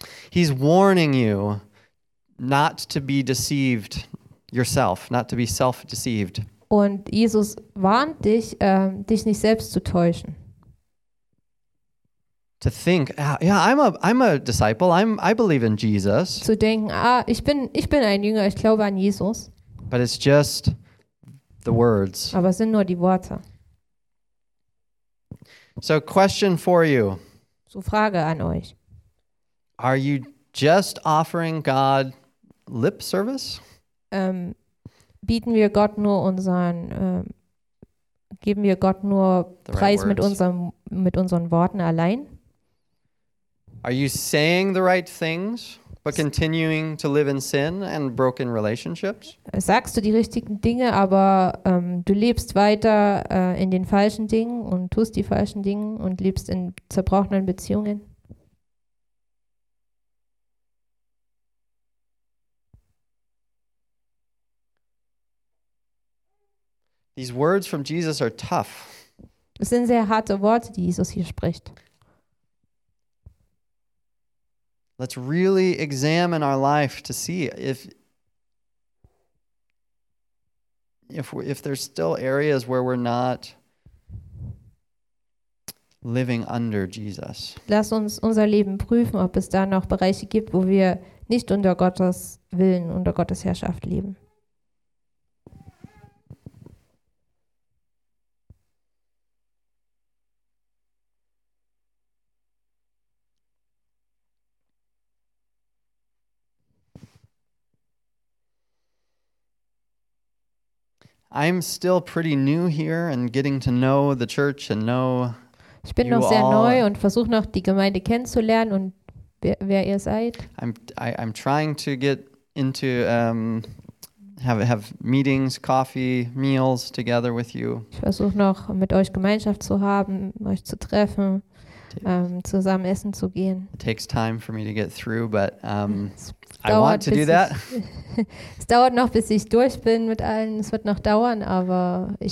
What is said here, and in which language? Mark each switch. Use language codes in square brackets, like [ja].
[en] He's warning you. Not to be deceived yourself, not to be self-deceived. [de] Und Jesus warnt dich, dich nicht selbst zu täuschen. [en] To think, I'm a disciple. I believe in Jesus. [de] Zu denken, ich bin ein Jünger. Ich glaube an Jesus. [en] But it's just the words. [de] Aber es sind nur die Worte. [en] So question for you. [de] So Frage an euch. [en] Are you just offering God lip service? [de] Bieten wir Gott nur unseren geben wir Gott nur Preis mit unseren Worten allein? [en] Are you saying the right things, but continuing to live in sin and broken relationships? [de] Sagst du die richtigen Dinge, aber du lebst weiter in den falschen Dingen und tust die falschen Dinge und lebst in zerbrochenen Beziehungen? [en] These words from Jesus are tough. [de] Es sind sehr harte Worte, die Jesus hier spricht. [en] Let's really examine our life to see if there's still areas where we're not living under Jesus. [de] Lass uns unser Leben prüfen, ob es da noch Bereiche gibt, wo wir nicht unter Gottes Willen, unter Gottes Herrschaft leben. [en] I'm still pretty new here and getting to know the church and know [de] Ich bin noch sehr neu und versuche noch die Gemeinde kennenzulernen und wer ihr seid. [en] I'm trying to get into have meetings, coffee, meals together with you. [de] Ich versuche noch mit euch Gemeinschaft zu haben, euch zu treffen, zusammen essen zu gehen. [en] It takes time for me to get through, but I want to do that. [de] Es dauert noch, bis ich durch bin mit allen. Es wird noch dauern, aber ich